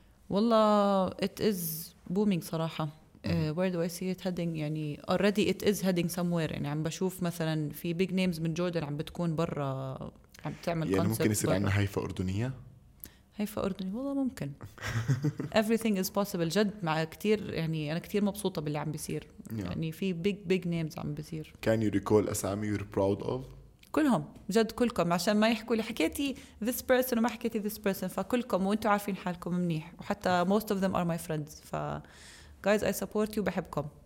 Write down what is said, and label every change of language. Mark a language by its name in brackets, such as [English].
[Arabic] والله [English] it is booming [Arabic] صراحة. [English] Where do I see it heading؟ [Arabic] يعني [English] already it is heading somewhere. [Arabic] يعني عم بشوف مثلا في [English] big names [Arabic] من جوردن عم بتكون برا عم تعمل يعني [English] concert. [Arabic] ممكن يصير عندنا هيفا أردنية؟ هيفا أردنية والله ممكن. [English] Everything is possible. [Arabic] جد مع كتير يعني أنا كتير مبسوطة باللي عم بيصير. [English] Yeah. [Arabic] يعني في [English] big names [Arabic] عم بيصير. [English] Can you recall [Arabic] أسامي [English] you're proud of؟ [Arabic] كلهم جد كلكم, عشان ما يحكوا لي حكيتي [English] this person [Arabic] وما حكيتي this person, فكلكم وانتوا عارفين حالكم منيح, وحتى [English] most of them are my friends. [Arabic] ف [English] guys I support you, [Arabic] بحبكم.